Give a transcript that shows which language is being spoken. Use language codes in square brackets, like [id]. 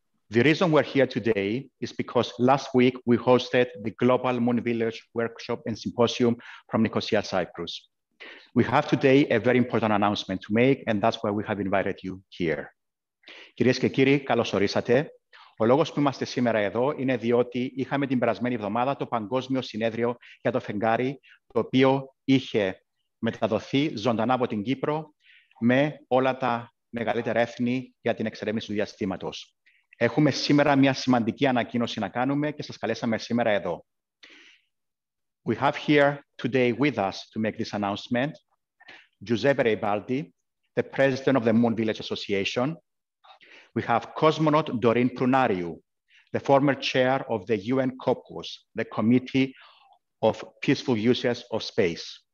[en] The reason we're here today is because last week we hosted the Global Moon Village Workshop and Symposium from Nicosia, Cyprus. We have today a very important announcement to make, and that's why we have invited you here. [el] Κυρίες και κύριοι, καλώς ορίσατε. Ο λόγος που είμαστε σήμερα εδώ είναι διότι είχαμε την περασμένη εβδομάδα το Παγκόσμιο Συνέδριο για το Φεγγάρι, το οποίο είχε μεταδοθεί ζωντανά από την Κύπρο με όλα τα μεγαλύτερα έθνη για την εξερεύνηση του διαστήματος. Έχουμε σήμερα μια σημαντική ανακοίνωση να κάνουμε και σας καλέσαμε σήμερα εδώ. [en] We have here today with us to make this announcement Giuseppe Reibaldi, the President of the Moon Village Association. We have cosmonaut Doreen Prunariu, the former chair of the UN COPCOS, the Committee of Peaceful Uses of Space.